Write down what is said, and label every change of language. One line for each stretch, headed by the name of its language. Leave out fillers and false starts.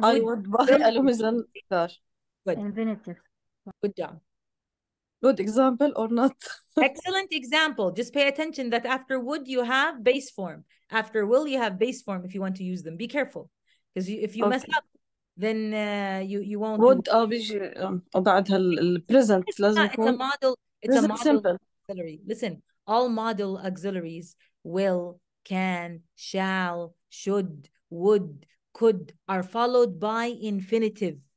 English: I would buy a limousine car. Good. Infinitive. Good job. Good example or not? Excellent example. Just pay attention that after would you have base form. After will you have base form if you want to use them. Be careful. Because if you mess up, then you won't.
Arabic: Would أبيجي بعد هالpresent لازم يكون.
English: It's a model. It's a model simple. Auxiliary. Listen, all model auxiliaries. Will, can, shall, should, would, could are followed by infinitive.